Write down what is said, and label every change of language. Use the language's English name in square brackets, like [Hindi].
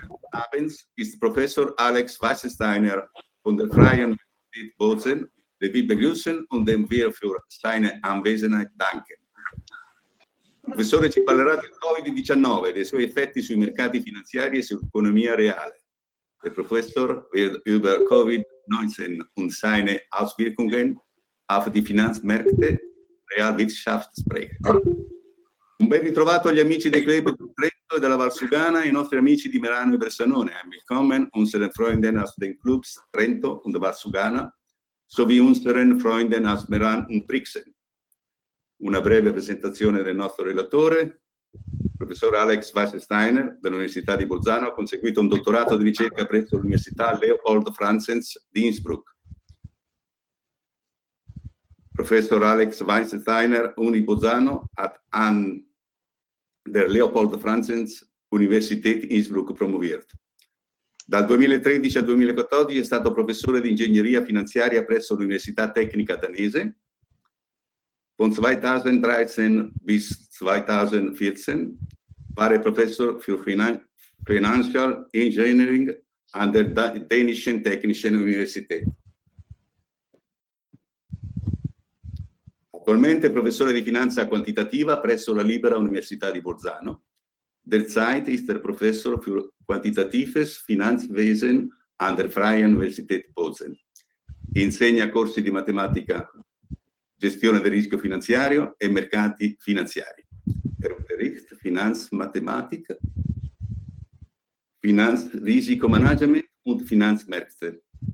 [German] Abends ist Professor Alex Weißensteiner von der Freien Universität Bozen. Wir begrüßen und dem wir für seine Anwesenheit danken. [Italian] Il professore ci parlerà del Covid-19 e dei suoi effetti sui mercati finanziari e sull'economia reale. [German] Il professor wird über Covid-19 und seine Auswirkungen auf die Finanzmärkte Realwirtschaft sprechen. [Italian] Un ben ritrovato agli amici dei club di Trento e della Valsugana e ai nostri amici di Merano e Bressanone. [German] Willkommen unseren Freunden aus den Clubs Trento und Valsugana, sowie unseren Freunden aus Meran und Brixen. [Italian] Una breve presentazione del nostro relatore, il professor Alex Weißensteiner dell'Università di Bolzano, ha conseguito un dottorato di ricerca presso l'Università Leopold Franzens di Innsbruck. [German] Professor Alex Weißensteiner, Uni Bolzano, an der Leopold Franzens Universität Innsbruck promoviert. [Italian] Dal 2013 al 2014 è stato professore di ingegneria finanziaria presso l'Università Tecnica Danese. [German] Von 2013 bis 2014 war er Professor für Financial Engineering an der Dänischen Technischen Universität. [Italian] Attualmente professore di finanza quantitativa presso la Libera Università di Bolzano. [German] Derzeit ist er Professor für Quantitatives Finanzwesen an der Freien Universität Bozen. [Italian] Insegna corsi di matematica, gestione del rischio finanziario e mercati finanziari. [German] Er unterricht Finanzmathematik, Finanzrisikomanagement und Finanzmärkte.